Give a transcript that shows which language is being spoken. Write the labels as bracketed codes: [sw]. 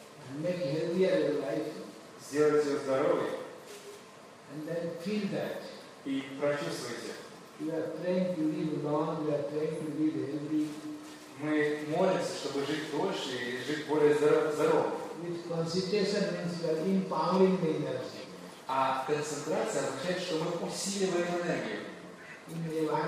[en] And make healthier your life. [ru] Сделайте ее здоровой. [en] And then feel that. [ru] И прочувствуйте. [en] We are trying to live long, we are trying to live healthy. [ru] Мы молимся, чтобы жить дольше и жить более здорово. [en] With concentration means we are empowering the energy. [ru] А концентрация означает, что мы усиливаем энергию.